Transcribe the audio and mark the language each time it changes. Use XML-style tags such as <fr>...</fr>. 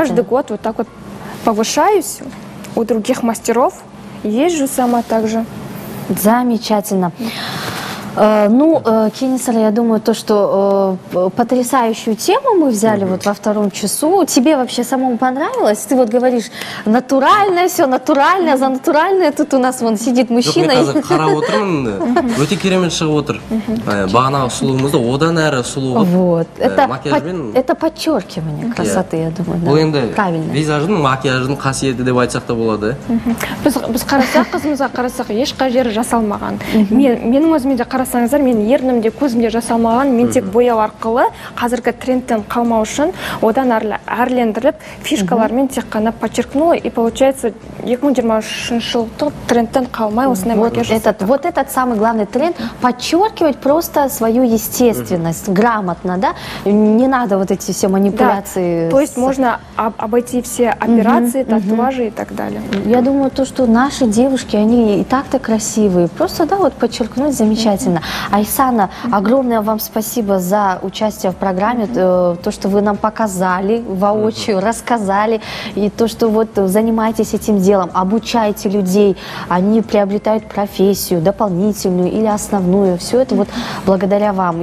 <ru>Каждый год вот так вот повышаюсь у других мастеров, езжу сама также. Замечательно. Ну, Кенесара, я думаю, то, что потрясающую тему мы взяли вот во втором часу. Тебе вообще самому понравилось? Ты вот говоришь, натуральное все, натуральное, за натуральное. Тут у нас вон сидит мужчина.</ru> <kk>Я сейчас хара отырмын, өте керемет шығы отыр. Бағана сұлуымызды, одан әрі сұлуға.</kk> <ru>Вот, это подчеркивание красоты, я думаю.</ru> <kk>Бұл енді визаждың, макияждың қасиеті деп айтсақ та болады. Біз қарасақ, қызымызға қарасақ, еш қажері жасалмаған. Менің өзімен де қарасаңыздар, мен ернімде, көзімде жасалмаған, мен тек бояу арқылы қазіргі трендтен қалмау үшін одан әрлендіріп, фишкалармен тек қана</kk> <ru>подчеркнула, и получается</ru> <kk>2023 жылдың трендтен қалмай осындай макияж жасады.</kk> <ru>Вот этот самый главный тренд – подчеркивать просто свою естественность, грамотно, да? Не надо вот эти все манипуляции. Да, то есть можно обойти все операции, татуажи и так далее. Я думаю, то, что наши девушки, они и так-то красивые. Просто, да, вот подчеркнуть замечательно. Айсана, огромное вам спасибо за участие в программе, то, что вы нам показали воочию, рассказали, и то, что вот занимаетесь этим делом, обучаете людей, они приобретают профессию дополнительную или основную, все это вот благодаря вам.</ru>